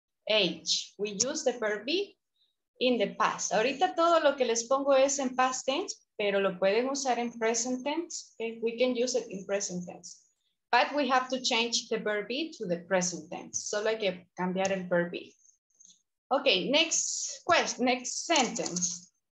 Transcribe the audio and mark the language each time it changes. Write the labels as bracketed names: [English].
[English] Age, we use the verb be in the past. [Spanish] Ahorita todo lo que les pongo es en past tense, pero lo pueden usar en present tense. [English] Okay, we can use it in present tense. But we have to change the verb be to the present tense. [Spanish] Solo hay que cambiar el verb be. [English] Okay, next sentence.